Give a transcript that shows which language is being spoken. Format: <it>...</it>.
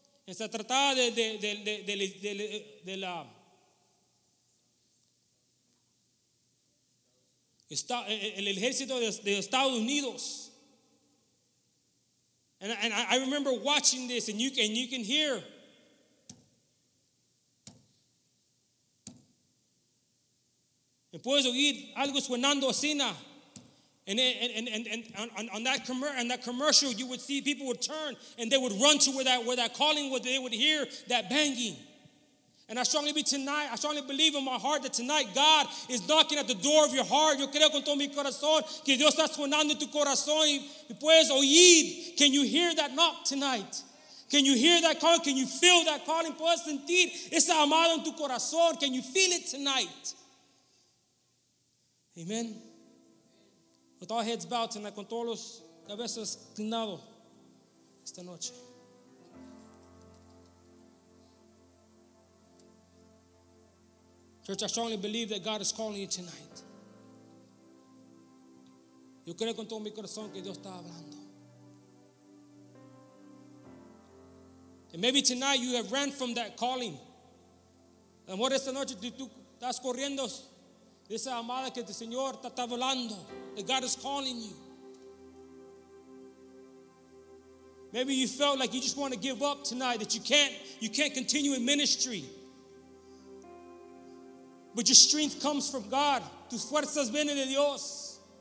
<es>Se trataba de la el ejército de Estados Unidos.</es> <en>And I remember watching this, and you can hear.</en> <es>Y puedes oír algo suenando así.</es> <en>And on that commercial, you would see people would turn and they would run to where that calling was. They would hear that banging. And I strongly believe in my heart that tonight God is knocking at the door of your heart.</en> <es>Yo creo con todo mi corazón que Dios está sonando en tu corazón. Y puedes oír.</es> <en>Can you hear that knock tonight? Can you hear that call? Can you feel that calling?</en> <es>Puedes sentir esa llamada en tu corazón.</es> <en>Can you feel it tonight? Amen. With all heads bowed tonight,</en> <es>con todos los cabezas inclinados esta noche.</es> <en>Church, I strongly believe that God is calling you tonight.</en> <es>Yo creo con todo mi corazón que Dios está hablando.</es> <en>And maybe tonight you have ran from that calling.</en> <es>A lo mejor esta noche tú estás corriendo de esa llamada que el Señor está hablando.</es> <en>That God is calling you. Maybe you felt like you just want to give up tonight, that you can't continue in ministry. But your strength comes from God.</en> <es>Tus fuerzas vienen de Dios.</es>